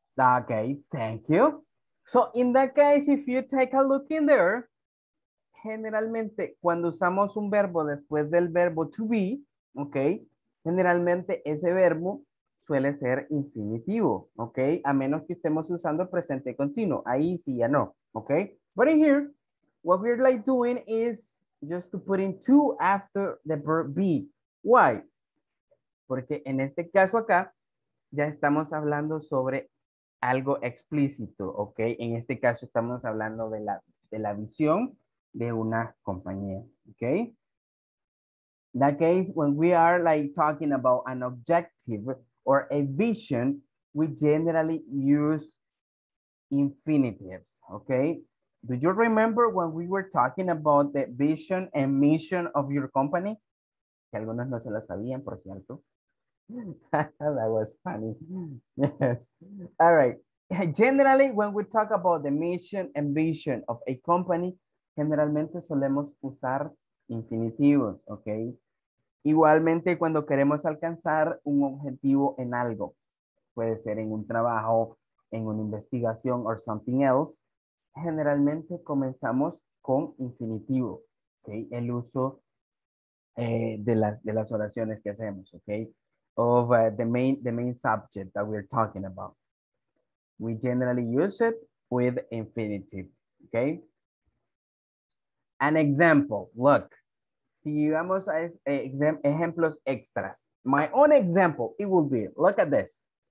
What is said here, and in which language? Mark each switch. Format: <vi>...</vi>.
<en>Okay, thank you. So in that case, if you take a look in there,</en> <es>generalmente, cuando usamos un verbo después del verbo to be, ok, generalmente ese verbo suele ser infinitivo, ok, a menos que estemos usando presente continuo, ahí sí ya no, ok.</es> <en>But in here, what we're like doing is just to put in to after the verb be. Why?</en> <es>Porque en este caso acá, ya estamos hablando sobre algo explícito, ok, en este caso estamos hablando de la visión de una compañía, okay?</es> <en>In that case, when we are like talking about an objective or a vision, we generally use infinitives, okay? Do you remember when we were talking about the vision and mission of your company?</en> <es>Que algunos no se lo sabían, por cierto.</es> <en>That was funny. Yes. All right. Generally, when we talk about the mission and vision of a company,</en> <es>generalmente solemos usar infinitivos,</es> <en>¿ok?</en> <es>Igualmente cuando queremos alcanzar un objetivo en algo, puede ser en un trabajo, en una investigación</es> <en>or something else,</en> <es>generalmente comenzamos con infinitivo, ¿ok? El uso de las oraciones que hacemos, ¿ok?</es> <en>Of the main subject that we're talking about. We generally use it with infinitive, ¿ok? An example, look,</en> <es>si vamos a ejemplos extras.</es> <en>My own example, it will be, look at this.</en>